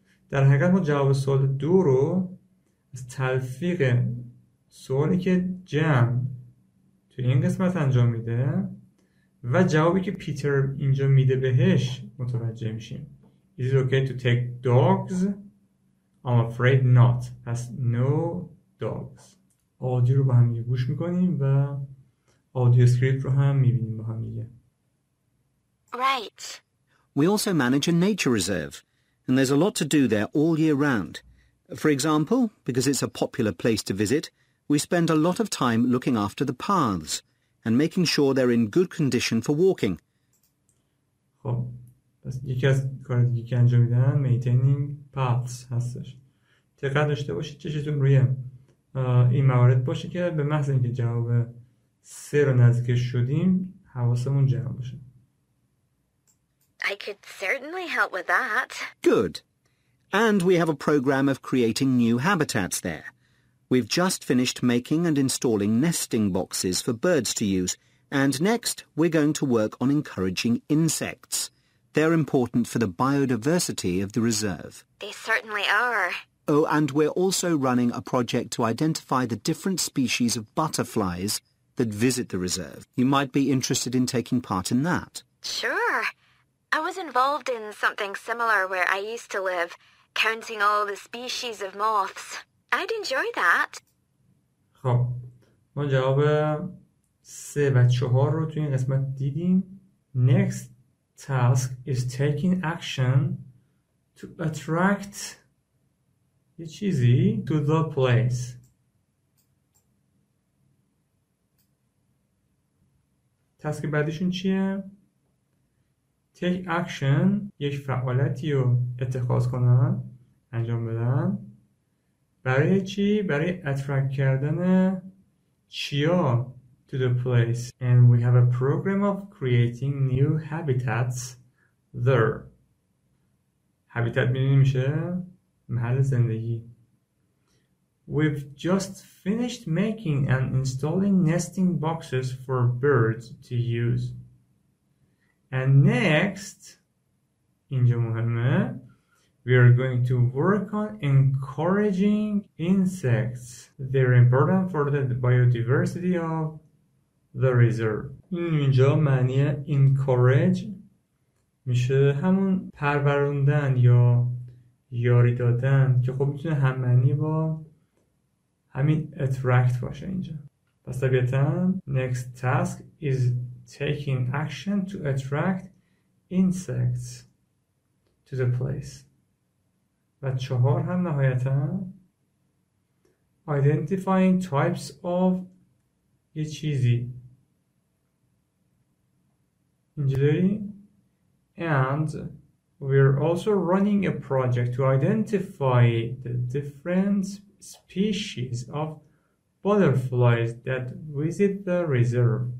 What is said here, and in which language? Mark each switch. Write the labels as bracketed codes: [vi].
[fa] در حقیقت ما جواب سوال دو رو از تلفیق سوالی که جن توی این قسمت انجام میده و جوابی که پیتر اینجا میده بهش متوجه میشیم. [en] Is it okay to take dogs? I'm afraid not. پس no dogs. [fa] آدیو رو با هم دیگه گوش میکنیم و آدیو اسکریپت رو هم میبینیم با هم دیگه. [en] Right. We also manage a nature reserve and there's a lot to do there all year round. For example, because it's a popular place to visit, we spend a lot of time looking after the paths and making sure they're in good condition for walking. [fa] خب پس یکی از کار دیگه که انجام میدن [en] maintaining paths [fa] هستش. دقت داشته باشید چشتون روی این موارد باشه که به محض اینکه جواب سه رو نزدیک شدیم حواسمون جمع باشه. [en] I could certainly help with that. Good. And we have a program of creating new habitats there. We've just finished making and installing nesting boxes for birds to use, and next we're going to work on encouraging insects. They're important for the biodiversity of the reserve. They certainly are. Oh, and we're also running a project to identify the different species of butterflies that visit the reserve. You might be interested in taking part in that. Sure. I was involved in something similar where I used to live, counting all the species of moths. I'd enjoy that. [fa] خب ما جواب 3 و 4 رو توی این قسمت دیدیم. [en] Next task is taking action to attract [fa] یه چیزی [en] to the place. [fa] تسک بعدیشون چیه؟ [en] Take action [fa] یک فعالیتی رو اتخاذ کنن انجام بدن. برای چی؟ برای attract کردن چیا [en] to the place. And we have a program of creating new habitats there. [fa] Habitat میدونی میشه محل زندگی. [en] We've just finished making and installing nesting boxes for birds to use. And next, [fa] اینجا مهمه, [en] we are going to work on encouraging insects. They're important for the biodiversity of the reserve. [fa] اینجا معنی encourage میشه همون پروروندن یا یاری دادن که خب میتونه هم معنی با همین attract باشه اینجا. پس طبیعتاً [en] next task is taking action to attract insects to the place. [fa] و چهار هم نهایتا [en] identifying types of [fa] یه چیزی اینجا داری. [en] And we're also running a project to identify the different species of butterflies that visit the reserve.